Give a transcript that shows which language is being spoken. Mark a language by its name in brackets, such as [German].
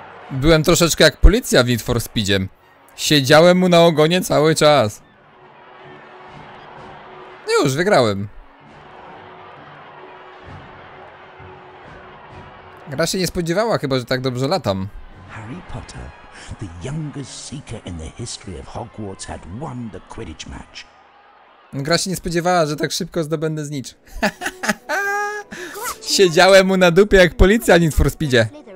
[Polish] Byłem troszeczkę jak policja w Need for Speedzie. Siedziałem mu na ogonie cały czas. Już, wygrałem. Gra się nie spodziewała, chyba że tak dobrze latam. [English] Harry Potter, the youngest seeker in the history of Hogwarts, had won the Quidditch match. [Polish] Gra się nie spodziewała, że tak szybko zdobędę znicz. Siedziałem mu na dupie jak policja w Need for Speedzie.